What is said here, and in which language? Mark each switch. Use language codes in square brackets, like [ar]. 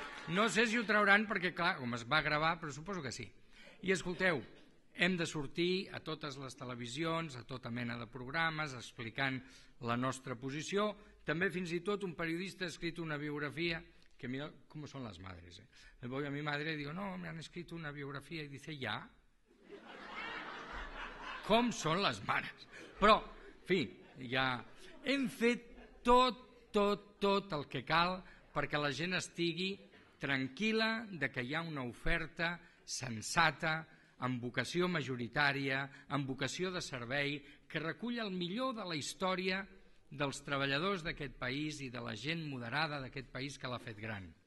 [ca] No sé si ho trauran, perquè clar, com es va gravar, però suposo que sí. I escolteu, hem de sortir a totes les televisions, a tota mena de programes, explicant la nostra posició. També fins i tot un periodista ha escrit una biografia, que mira com són les madres. [es] Voy a mi madre y digo: no, me han [ca] escrit una biografia, i [es] dice: ja. [ca] Com són les mares. Però, en fi, ja hem fet tot el que cal perquè la gent estigui tranquil·la de que hi ha una oferta sensata, amb vocació majoritària, amb vocació de servei, que recull el millor de la història dels treballadors d'aquest país i de la gent moderada d'aquest país que l'ha fet gran.